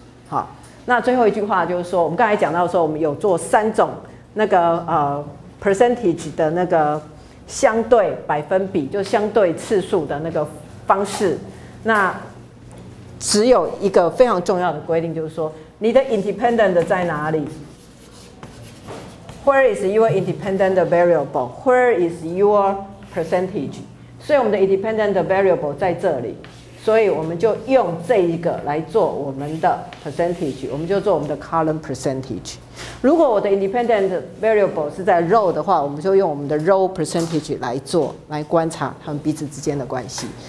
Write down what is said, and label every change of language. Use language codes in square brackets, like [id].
[zh] 好，那最后一句话就是说，我们刚才讲到说，我们有做三种那个percentage 的那个相对百分比，就相对次数的那个方式。那只有一个非常重要的规定，就是说你的 independent 在哪里 ？ [en] Where is your independent variable? Where is your percentage? [zh] 所以我们的 independent variable 在这里。所以我们就用这一个来做我们的 percentage， 我们就做我们的 column percentage。如果我的 independent variable 是在 row 的话，我们就用我们的 row percentage 来做，来观察他们彼此之间的关系。